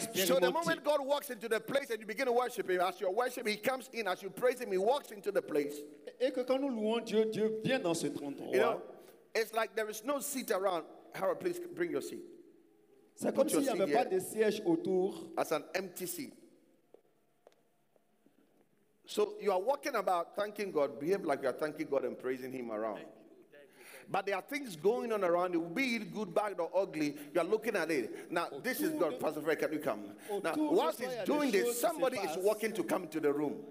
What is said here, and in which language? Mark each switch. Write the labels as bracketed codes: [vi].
[en] so the moment God walks into the place and you begin to worship him, as you worship, he comes in, as you praise him, he walks into the place. [fr] Et que quand nous louons Dieu, Dieu vient dans cet endroit. [en] You know, it's like there is no seat around. Harold, please bring your seat. [fr] C'est comme s'il n'y avait pas de siège autour. [en] As an empty seat. So you are walking about thanking God, behave like you are thanking God and praising him around. But there are things going on around you, be it good, bad, or ugly. You are looking at it. Now, this is God. Pastor Frey, can you come? Now, whilst he's doing this, somebody is walking to come to the room.